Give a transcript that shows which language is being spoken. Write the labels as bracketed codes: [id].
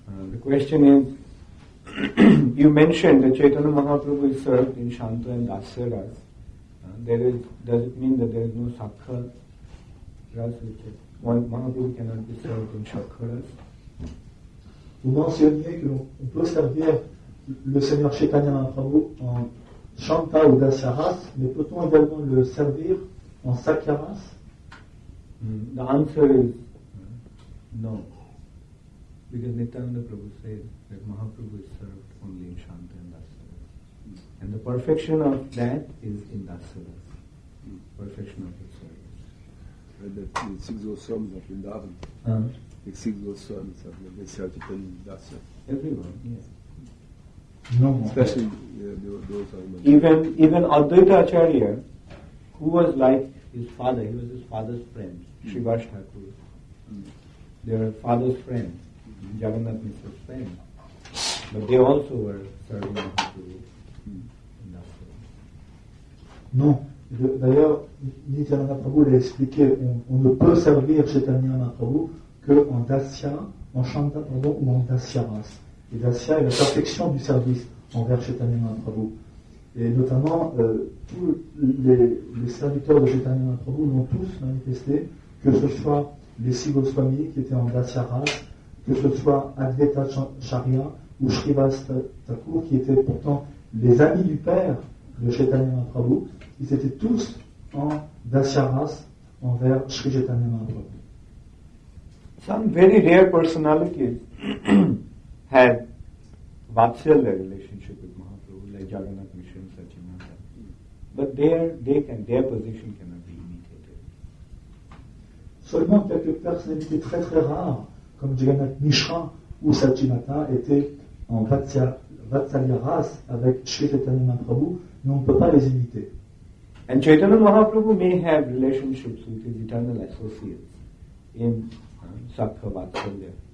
[en] The question is, you mentioned that Chaitanya Mahaprabhu is served in Shanta and Dasya Ras. Does it mean that there is no Sakha Ras? Mahaprabhu cannot be served in Sakha Ras? [fr] Vous mentionniez que on peut servir le Seigneur Chaitanya Mahaprabhu en Shanta ou Dasya Ras, mais peut-on également le servir en Sakha Ras? [en] The answer is no. Because Nityananda Prabhu says that Mahaprabhu is served only in Shanta and Dasara. And the perfection of that is in Dasara. Perfection of the service. The six Goswamis of Vrindavan. The six Goswamis have been served in Dasara. Everyone, yes. No. Especially those are the even Advaita Acharya, who was like his father, he was his father's friend. Sri Vash Thakur, their father's friend, Jagannath Mishra's friend. But they also were serving the Guru in that form. No. [fr] D'ailleurs, Nityananda Prabhu l'a expliqué, on ne peut servir Chaitanya Mahaprabhu qu'en Dasya, en Shanta, pardon, ou en Dasyaras. Et Dasya est la perfection du service envers Chaitanya Mahaprabhu. Et notamment, tous les serviteurs de Chaitanya Mahaprabhu l'ont tous manifesté, que ce soit les Sivoswami qui étaient en Dasyaras, que ce soit Advaita Charya ou Srivas Thakur qui étaient pourtant les amis du Père de Chaitanya Mahaprabhu. Ils étaient tous en dasyaras envers Sri Chaitanya Mahaprabhu. [en] Some very rare personalities had vatsalya relationship with Mahaprabhu, like Jagannath Mishra and Satyananda. But their position cannot be imitated. [fr] Seulement quelques personnalités très très rares, comme Jagannath Mishra ou Satyananda, étaient en vatsalya ras avec Sri Chaitanya Mahaprabhu, mais on ne peut pas les imiter. [en] And Chaitanya Mahaprabhu may have relationships with his eternal associates in Sattva Vatsalya.